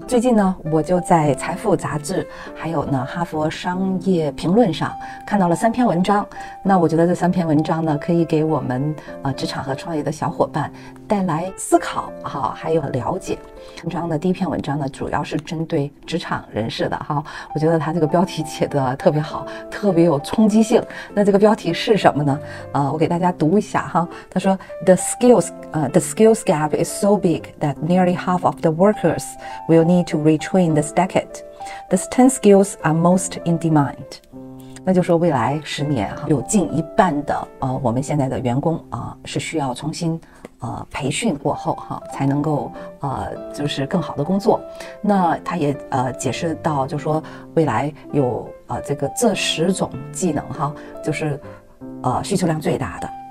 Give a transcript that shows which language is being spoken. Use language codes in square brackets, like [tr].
[zh] 最近呢，我就在《财富》杂志，还有呢《哈佛商业评论》上看到了三篇文章，那我觉得这三篇文章呢，可以给我们职场和创业的小伙伴带来思考哈，还有了解。文章的第一篇文章呢，主要是针对职场人士的哈，我觉得他这个标题写得特别好，特别有冲击性。那这个标题是什么呢？我给大家读一下哈。 [en] 他说：“The skills gap is so big that nearly half of the workers will need to retrain this decade. These 10 skills are most in demand.” [zh] 那就说未来10年哈，有近一半的我们现在的员工是需要重新培训过后哈，才能够就是更好的工作。那他也解释到，就说未来有这10种技能哈，就是需求量最大的。